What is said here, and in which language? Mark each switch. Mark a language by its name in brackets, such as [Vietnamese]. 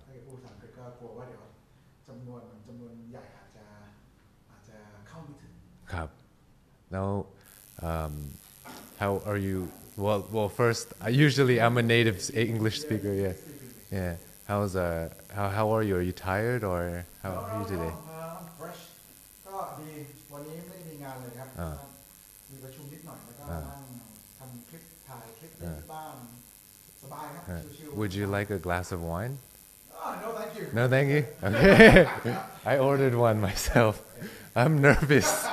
[Thai] ถ้าพูดภาษาอังกฤษก็กลัวว่าเดี๋ยวจำนวนใหญ่อาจจะเข้าไม่ถึง ครับแล้ว [English] how are you well first usually I'm a native English speaker yeah how are you tired or how are you today fresh [Thai] ก็ดีวันนี้ไม่มีงานเลยครับมีประชุมนิดหน่อยแล้วก็นั่งทำคลิปถ่ายคลิปที่บ้านสบายครับชิ [English] ลๆ would you like a glass of wine no thank you no thank you okay I ordered one myselfI'm nervous.